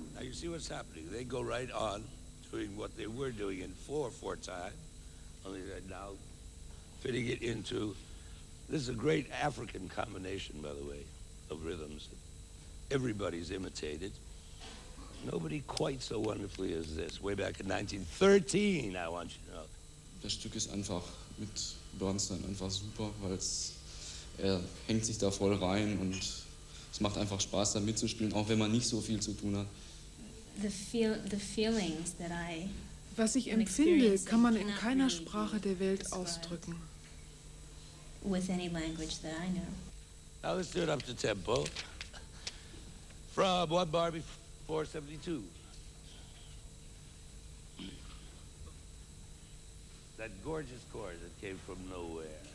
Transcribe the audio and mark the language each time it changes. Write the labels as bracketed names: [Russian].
[English] See what's happening. They go right on doing what they were doing in four time, only they're now fitting it into. This is a great African combination, by the way, of rhythms. Everybody's imitated. Nobody quite so wonderfully as this. Way back in 1913, I want you to know. [German] Das Stück ist einfach mit Bernstein einfach super, weil er hängt sich da voll rein und es macht einfach Spaß, da mitzuspielen, auch wenn man nicht so viel zu tun hat. Was ich empfinde, kann man in keiner Sprache der Welt ausdrücken. [English] With any language that I know. Now let's do it up to tempo. From one bar before 72. That gorgeous chord that came from nowhere.